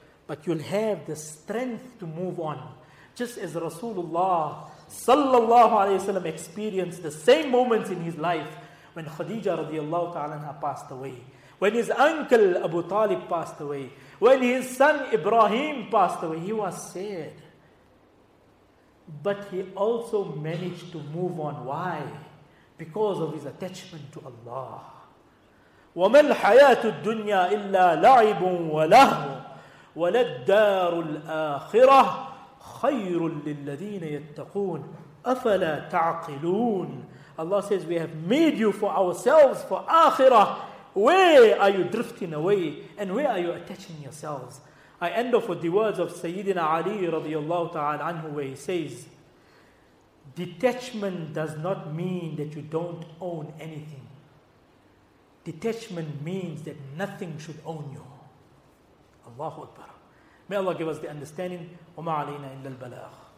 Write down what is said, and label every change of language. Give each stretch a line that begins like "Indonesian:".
English: But you'll have the strength to move on. Just as Rasulullah sallallahu alayhi wa sallam experienced the same moments in his life when Khadija radiallahu ta'ala anha passed away. When his uncle Abu Talib passed away. When his son Ibrahim passed away. He was sad. But he also managed to move on. Why? Because of his attachment to Allah.
Arabic: وَمَا الْحَيَاةُ الدُّنْيَا إِلَّا لَعِبٌ وَلَهُ وَلَلدَّارُ الْآخِرَةُ خَيْرٌ لِلَّذِينَ يَتَّقُونَ أَفَلَا تَعْقِلُونَ
English: Allah says, we have made you for ourselves, for akhirah. Where are you drifting away? And where are you attaching yourselves? I end off with the words of Sayyidina Ali radiallahu ta'ala anhu, where he says, detachment does not mean that you don't own anything. Detachment means that nothing should own you. Allahu Akbar. May Allah give us the understanding.
Arabic: وَمَا عَلَيْنَا إِلَّا الْبَلَاغُ